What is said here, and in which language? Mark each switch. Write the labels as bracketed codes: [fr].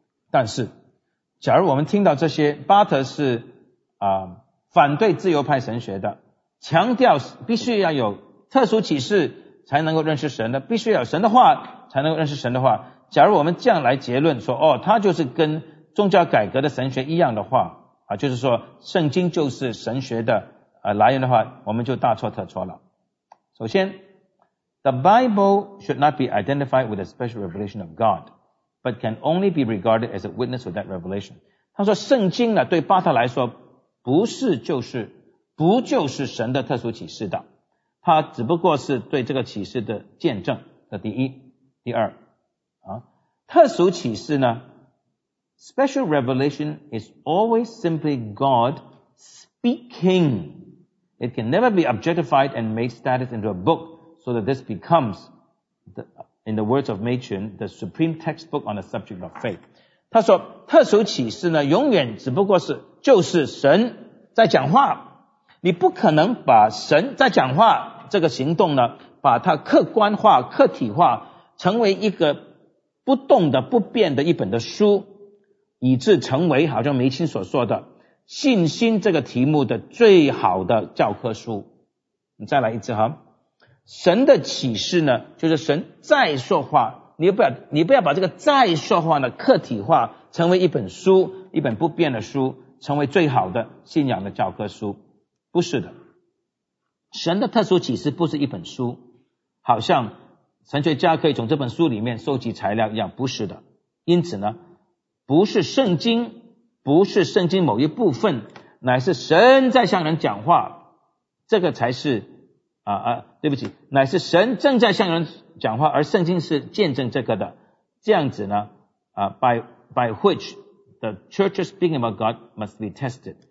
[zh] 但是假如我们听到这些，巴特是反对自由派神学的，强调必须要有特殊启示才能够认识神的，必须要有神的话才能够认识神的话，假如我们这样来结论说，哦，他就是跟宗教改革的神学一样的话啊，就是说圣经就是神学的来源的话，我们就大错特错了。首先 [en] The Bible should not be identified with a special revelation of God, but can only be regarded as a witness of that revelation. [zh] 他说圣经呢对巴特来说不就是神的特殊启示的。他只不过是对这个启示的见证的第一。第二啊，特殊启示呢 [en] ,special revelation is always simply God speaking. It can never be objectified and made status into a book so that this becomes, in the words of Machen, the supreme textbook on the subject of faith. [zh] 他说特殊启示呢永远只不过是就是神在讲话。你不可能把神在讲话这个行动呢把它客观化客体化成为一个不动的不变的一本的书以致成为好像梅钦所说的信心这个题目的最好的教科书。你再来一次哈。神的启示呢就是神再说话你不要把这个再说话呢客体化成为一本书一本不变的书成为最好的信仰的教科书。不是的。神的特殊启示不是一本书好像神学家可以从这本书里面收集材料一样不是的。因此呢不是圣经不是圣经某一部分乃是神在向人讲话这个才是对不起乃是神正在向人讲话而圣经是见证这个的。这样子呢 [en] by which the church speaking about God must be tested.